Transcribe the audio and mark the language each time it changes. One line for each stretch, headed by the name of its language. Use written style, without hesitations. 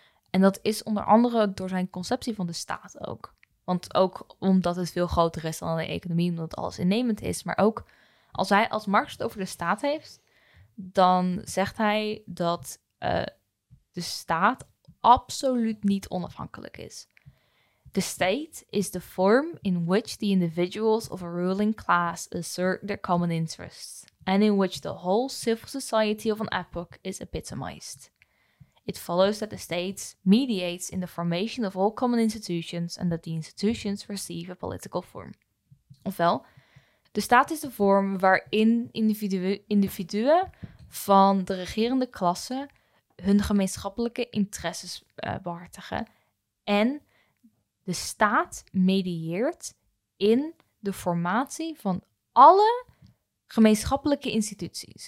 Dutch: En dat is onder andere door zijn conceptie van de staat ook. Want ook omdat het veel groter is dan de economie, omdat alles innemend is. Maar ook als Marx het over de staat heeft, dan zegt hij dat de staat absoluut niet onafhankelijk is.
English: The state is the form in which the individuals of a ruling class assert their common interests. And in which the whole civil society of an epoch is epitomized. It follows that the state mediates in the formation of all common institutions and that the institutions receive a political form.
Dutch: Ofwel, de staat is de vorm waarin individuen van de regerende klasse hun gemeenschappelijke interesses behartigen. En de staat medieert in de formatie van alle gemeenschappelijke instituties.